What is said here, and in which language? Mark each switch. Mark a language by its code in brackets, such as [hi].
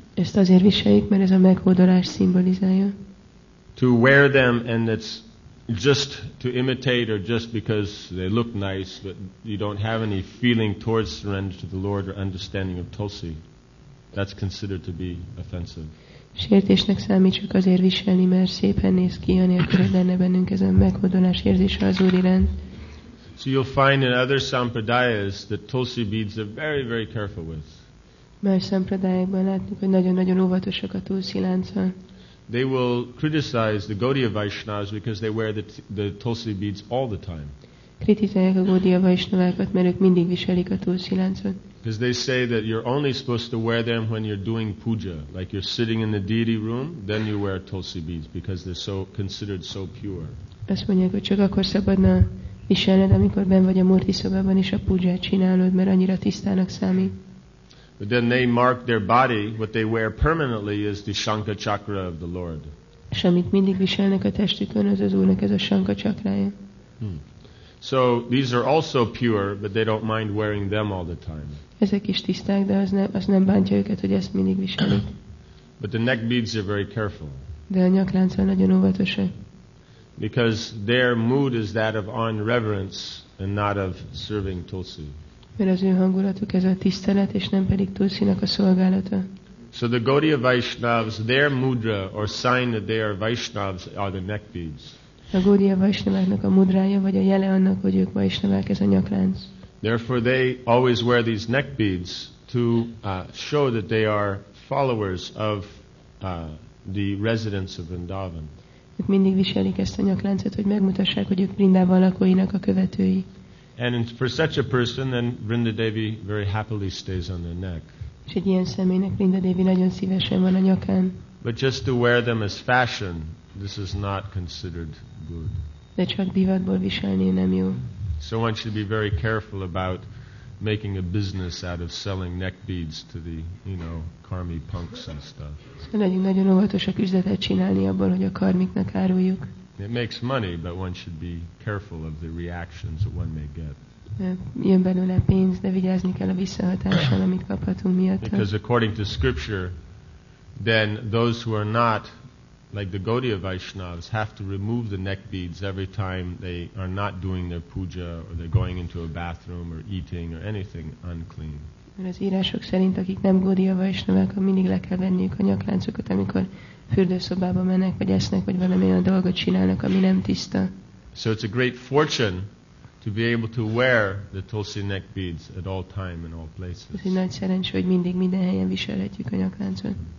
[hu] Ezt azért viseljük, mert ez a meghódolás szimbolizálja. [en] To wear them and it's just to imitate or just because they look nice, but you don't have any feeling towards surrender to the Lord or understanding of Tulsi. That's considered to be offensive. [hu] Sértésnek számít csak azért viselni, mert szépen néz ki, anélkül, hogy lenne bennünk ez a meghódolás érzése az Úr iránt. [en] So you'll find in other sampradayas that Tulsi beads are very, very careful with. [hu] Más szampradájákban látjuk, hogy nagyon-nagyon óvatosak a Tulsi lánccal. [en] They will criticize the Gaudiya Vaishnavas because they wear the Tulsi beads all the time. [hu] Kritizálják a Gaudiya Vaishnavákat, mert ők mindig viselik a Tulsi láncot. [en] Because they say that you're only supposed to wear them when you're doing puja, like you're sitting in the deity room, then you wear Tulsi beads because they're so considered so pure. [hu] Azt mondják, hogy csak akkor szabadna viselned, amikor benn vagy a murti szobában és a pujját csinálod, mert annyira tisztának számít. [en] But then they mark their body, what they wear permanently is the Shankha chakra of the Lord. [hu] És amit mindig viselnek a testükön, az az Úrnak ez a Shankha chakrája. [en] So these are also pure, but they don't mind wearing them all the time. [hu] Ezek is tiszták, de az nem bántja őket, hogy ezt mindig viselik. [en] But the neck beads are very careful. [hu] De a nyakláncok nagyon óvatosak. [en] Because their mood is that of on reverence and not of serving Tulsi. [hu] Mert az ő hangulatuk ez a tisztelet, és nem pedig Tulsinak a szolgálata. [en] So the Gaudiya Vaishnavas, their mudra or sign that they are Vaishnavas are the neck beads. [hu] A Gaudiya Vaishnaváknak a mudrája vagy a jele annak, hogy ők Vaishnavák, ez a nyaklánc. [en] Therefore they always wear these neck beads to show that they are followers of the residents of Vrindavan. [hu] Ők mindig viselik ezt a nyakláncot, hogy megmutassák, hogy ők Vrindavan lakóinak a követői. [en] And for such a person then Vrindadevi very happily stays on their neck. [hu] És egy ilyen személynek Vrindadevi nagyon szívesen van a nyakán. [en] But just to wear them as fashion, this is not considered good. [hu] De csak divatból viselni nem jó. [en] So one should be very careful about making a business out of selling neck beads to the, you know, karmi punks and stuff. [hu] Szóval nagyon óvatosak üzletet csinálni abból, hogy a karmiknak áruljuk. [en] It makes money, but one should be careful of the reactions that one may get. [hu] Jön belőle pénz, de vigyázni kell a visszahatással, amit kaphatunk miatta. [en] Because according to scripture, then those who are not like the Gaudiya Vaishnavas have to remove the neck beads every time they are not doing their puja or they're going into a bathroom or eating or anything unclean. [hu] Mert az írások szerint, akik nem Gaudiya Vaishnavák, mindig le kell venniük a nyakláncokat, amikor fürdőszobába mennek, vagy esznek, vagy valami olyan dolgot csinálnak, ami nem tiszta. [en] So it's a great fortune to be able to wear the Tulsi neck beads at all time and all places. [hu] Ez egy nagy szerencse, hogy mindig minden helyen viselhetjük a nyakláncot.